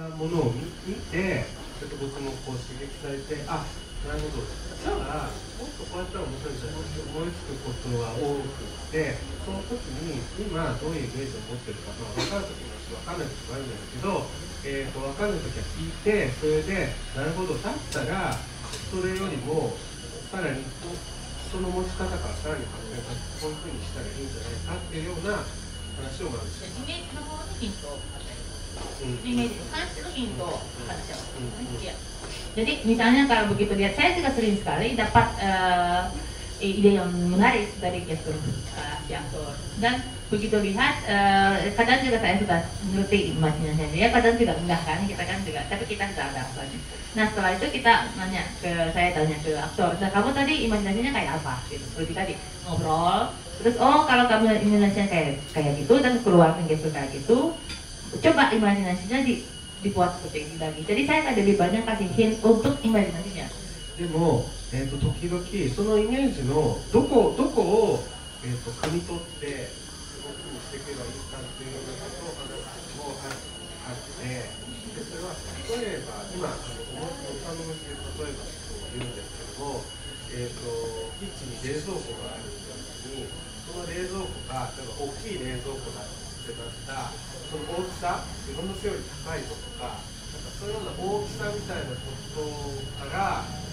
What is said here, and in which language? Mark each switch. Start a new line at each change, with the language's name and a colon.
Japanese: くれたものを見て、ちょっと僕もこう刺激されて、あ、なるほど、じゃあもっとこうやったら面白いじゃんって思いつくことは多くて、その時に今どういうイメージを持ってるか、まあ、分かる時もあるし分かんない時もあるんだけど、分かんない時は聞いて、それでなるほどだったらそれよりもさらに人の持ち方からさらに考えたこういうふうにしたらいいんじゃないかっていうような話をまずします。イメージの方のヒントを与えます。イメージに関してのヒントを与えます。
Indonesian: Jadi misalnya kalau begitu lihat, saya juga sering sekali dapat ide yang menarik dari gestur diatur. Dan begitu lihat, kadang juga saya sudah mengerti imajinasinya, ya, kadang tidak mudah kan, kita kan juga, tapi kita sudah ada aktornya. Nah setelah itu kita nanya ke, saya tanya ke aktor, nah kamu tadi imajinasinya kayak apa? Gitu. Seperti tadi, ngobrol, terus oh kalau kamu imajinasinya kayak gitu, dan keluar gestur kayak gitu, coba imajinasinya dibuat seperti ini lagi. Jadi saya ada lebih banyak kasih hint untuk imajinasinya.
Japanese: でも時々そのイメージのどこを汲み取って動きにしていけばいいかっていうようなことを話もあって、でそれは例えば今思ったのに、例えばこういうんですけども、キッチンに冷蔵庫があるんだったり、その冷蔵庫が例えば大きい冷蔵庫だってなったら、その大きさ自分の背より高いぞとか、なんかそういうような大きさみたいなことから